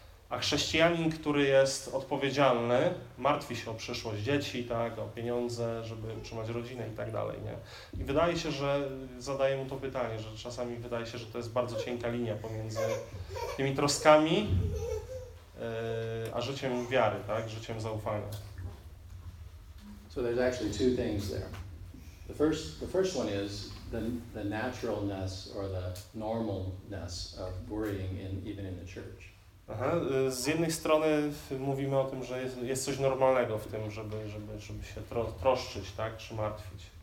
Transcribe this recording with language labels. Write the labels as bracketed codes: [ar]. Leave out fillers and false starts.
[pl] A chrześcijanin, który jest odpowiedzialny, martwi się o przyszłość dzieci, tak, o pieniądze, żeby utrzymać rodzinę i tak dalej, nie? I wydaje się, że zadaję mu to pytanie, że czasami wydaje się, że to jest bardzo cienka linia pomiędzy tymi troskami a życiem wiary, tak, życiem zaufania. [en] So there's actually two things there. The first one is the naturalness or the normalness of worrying even in the church. [pl] Aha, z jednej strony mówimy o tym, że jest coś normalnego w tym, żeby się troszczyć, tak, czy martwić.